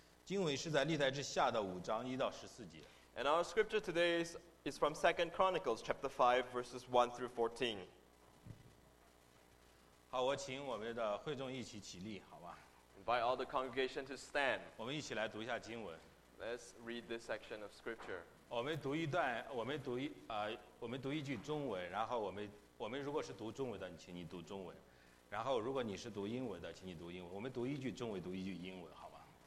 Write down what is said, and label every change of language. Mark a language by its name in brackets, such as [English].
[English] And our scripture today is from 2 Chronicles chapter 5, verses 1 through 14. [Chinese] 好，我请我们的会众一起起立， [English] Invite all the congregation to stand. [Chinese] 我们一起来读一下经文。 [English] Let's read this section of scripture. [Chinese] 我们读一句中文，然后我们如果是读中文的，请你读中文，然后如果你是读英文的，请你读英文，我们读一句中文，读一句英文，好吧？